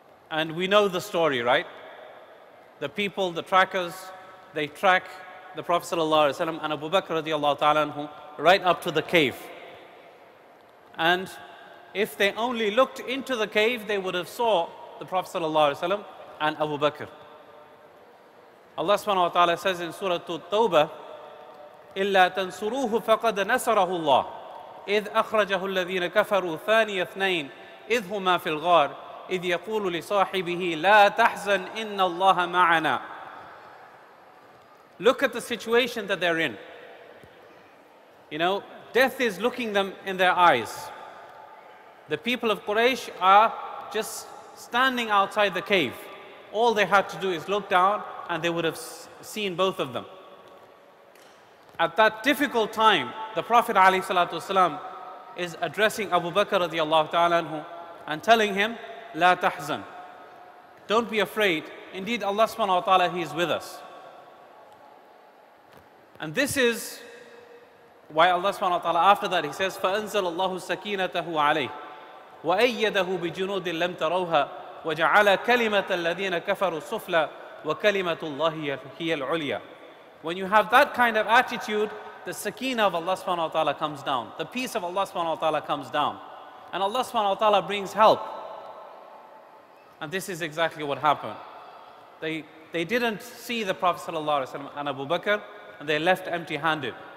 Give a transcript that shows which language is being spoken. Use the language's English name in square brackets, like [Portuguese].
[English] And we know the story, right? The people, the trackers, they track the Prophet sallallahu alaihi wasallam and Abu Bakr radiallahu ta'ala anhu right up to the cave. And if they only looked into the cave, they would have saw the Prophet sallallahu alaihi wasallam and Abu Bakr. Allah subhanahu wa ta'ala says in Surah At-Tawbah, [Arabic] إِلَّا تَنْصُرُوهُ فَقَدْ نَصَرَهُ اللَّهُ إِذْ أَخْرَجَهُ الَّذِينَ كَفَرُوا ثَانِيَ اثْنَيْنِ إِذْ هُمَا فِي الْغَارِ إِذْ يَقُولُ لِصَاحِبِهِ لَا تَحْزَنْ إِنَّ اللَّهَ مَعَنَا. [English] Look at the situation that they're in. You know, death is looking them in their eyes. The people of Quraysh are just standing outside the cave. All they had to do is look down and they would have seen both of them. At that difficult time, the Prophet ﷺ is addressing Abu Bakr radiallahu ta'ala anhu and telling him, [Arabic] La tahzan. [English] Don't be afraid. Indeed, Allah subhanahu wa ta'ala, He is with us. And this is why Allah subhanahu wa ta'ala, after that, He says, [Arabic] فَأَنزَلَ اللَّهُ سَكِينَتَهُ عَلَيْهِ وَأَيَّدَهُ بِجُنُودٍ لَمْ تَرَوْهَا وَجَعَلَ كَلِمَةَ الَّذِينَ كَفَرُوا السُّفْلَى وَكَلِمَةُ اللَّهِ هِيَ الْعُلْيَا. [English] When you have that kind of attitude, the sakina of Allah subhanahu wa ta'ala comes down. The peace of Allah subhanahu wa ta'ala comes down. And Allah subhanahu wa ta'ala brings help. And this is exactly what happened. They didn't see the Prophet sallallahu alaihi wasallam and Abu Bakr, and they left empty-handed.